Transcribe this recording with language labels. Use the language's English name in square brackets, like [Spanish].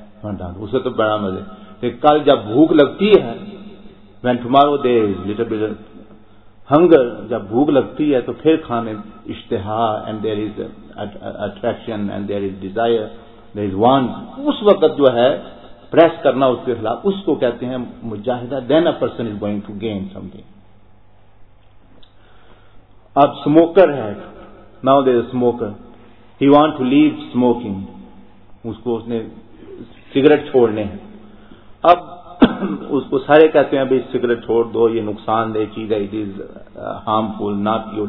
[Urdu] اسے تو بڑا مزے، کل جب بھوک لگتی ہے، [English] when tomorrow there is little bit hunger, [Urdu] جب بھوک لگتی ہے تو پھر کھانے اشتہا، [English] and there is attraction, and there is desire, there is want, [Urdu] اس وقت جو ہے پریس کرنا اس کے خلاف، اس کو کہتے ہیں مجاہدہ. [English] Then a person is going to gain something. [Urdu] اب اسموکر ہے، [English] now there is smoker, he want to leave smoking, [Urdu] اس نے سگریٹ چھوڑنے ہیں. اب اس کو سارے کہتے ہیں بھائی سگریٹ چھوڑ دو، یہ نقصان دہ چیز ہے، [English] It is harmful, not you.